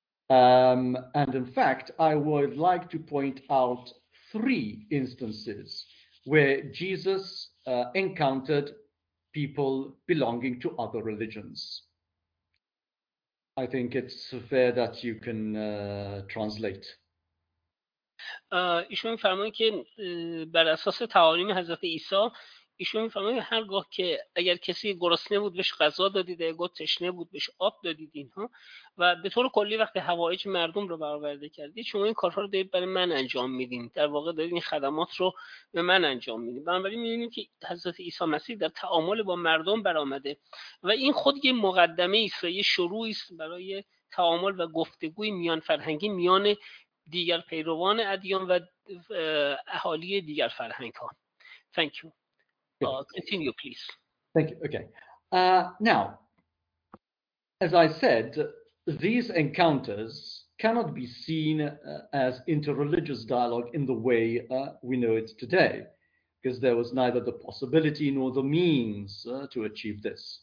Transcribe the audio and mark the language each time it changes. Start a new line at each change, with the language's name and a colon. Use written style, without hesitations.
English: And in fact, I would like to point out three instances where Jesus encountered people belonging to other religions. I think it's fair that you can translate.
Persian: ایشون فرمود که بر اساس تعالیم حضرت عیسی، ایشون فرمود هرگاه که اگر کسی گرسنه بود بهش غذا دادید، اگر تشنه بود بهش آب دادید، اینها و به طور کلی وقتی حوایج مردم رو برآورده کردید، شما این کارها رو دارید برای من انجام میدین، در واقع دارید این خدمات رو به من انجام میدین. بنابراین می‌بینیم که حضرت عیسی مسیح در تعامل با مردم برآمده و این خود یه مقدمه است، یه شروعی است برای تعامل و گفتگوی میان فرهنگی میان دیگر پیروان ادیان و اهالی دیگر فرهنگ ها.
English: Thank you. Continue, please. Thank you. Okay. Now, as I said, these encounters cannot be seen as interreligious dialogue in the way we know it today, because there was neither the possibility nor the means to achieve this.